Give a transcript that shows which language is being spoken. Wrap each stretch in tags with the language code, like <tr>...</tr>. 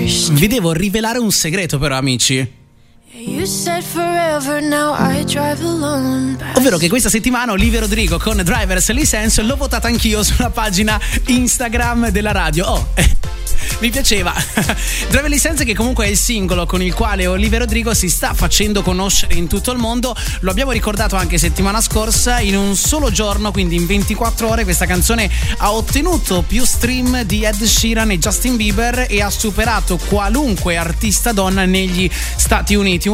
<it>Vi devo rivelare un segreto però, amici.</it> <en>You said forever, now I drive alone.</en> <it>Ovvero che questa settimana Olivia Rodrigo con Driver's License l'ho votata anch'io sulla pagina Instagram della radio. Oh, mi piaceva. Driver's License, che comunque è il singolo con il quale Olivia Rodrigo si sta facendo conoscere in tutto il mondo. Lo abbiamo ricordato anche settimana scorsa, in un solo giorno, quindi in 24 ore, questa canzone ha ottenuto più stream di Ed Sheeran e Justin Bieber e ha superato qualunque artista donna negli Stati Uniti.</it>